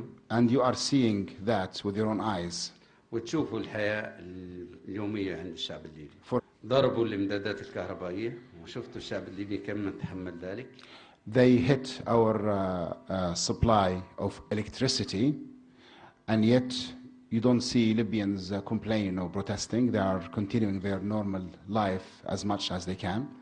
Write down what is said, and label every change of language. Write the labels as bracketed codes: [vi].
[en] And you are seeing that with your own eyes. [ar] وتشوفوا الحياة اليومية عند الشعب الليبي. ضربوا الإمدادات الكهربائية وشفتوا الشعب الليبي كم تحمل ذلك. [en] They hit our supply of electricity, and yet you don't see Libyans complaining or protesting. They are continuing their normal life as much as they can.